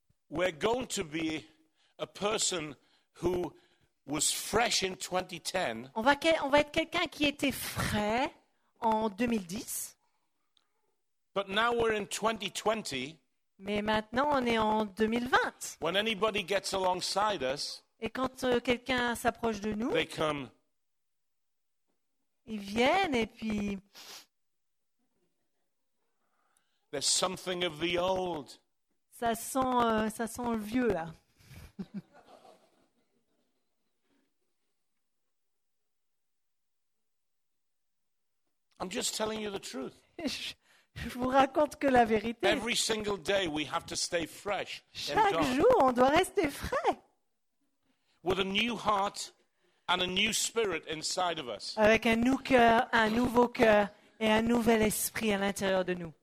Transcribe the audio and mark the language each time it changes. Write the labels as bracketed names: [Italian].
[English] we're going to be a person who was fresh in 2010. [French] On va être quelqu'un qui était frais en 2010. [English] But now we're in 2020. [French] Mais maintenant on est en 2020. [English] When anybody gets alongside us. [French] Et quand quelqu'un s'approche de nous, [English] they come. [French] Ils viennent et puis [English] there's something of the old. [French] Ça sent le vieux là. [English] I'm just telling you the truth. [French] Je vous raconte que la vérité. [English] Every single day we have to stay fresh. [French] Chaque jour, on doit rester frais. [English] With a new heart and a new spirit inside of us. [French] Avec un nouveau cœur, et un nouvel esprit à l'intérieur de nous.